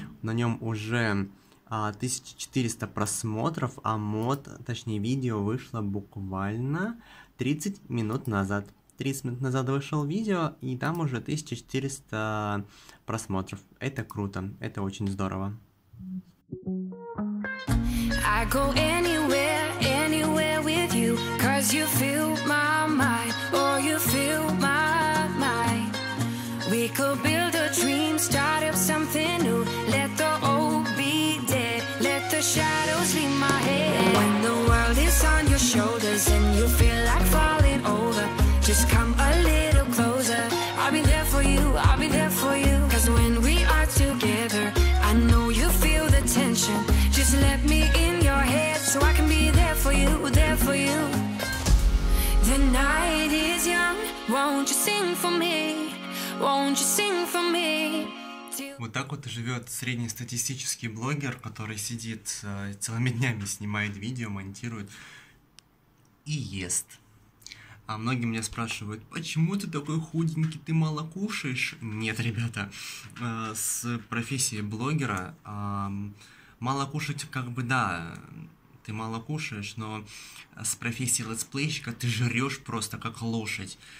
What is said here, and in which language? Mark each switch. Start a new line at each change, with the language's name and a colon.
Russian: На нем уже 1400 просмотров, а мод, точнее, видео вышло буквально 30 минут назад. 30 минут назад вышел видео, и там уже 1400 просмотров. Это круто, это очень здорово.
English: I go anywhere, anywhere with you, 'cause you fill my mind, oh, you fill my mind. We could build a dream, start up something new. Let the old be dead, let the shadows leave my head. When the world is on your shoulders and you feel like falling over, just come a little closer. I'll be there for you, I'll be there for you. 'Cause when we are together, I know you feel the tension. Just let me in your head so I can be there for you, there for you. The night is young, won't you sing for me? Won't you sing for me?
Russian: Вот так вот и живет среднестатистический блогер, который сидит целыми днями, снимает видео, монтирует. и ест. А многие меня спрашивают, почему ты такой худенький, ты мало кушаешь? Нет, ребята, с профессией блогера мало кушать, как бы да, ты мало кушаешь, но с профессией летсплейщика ты жрёшь просто как лошадь.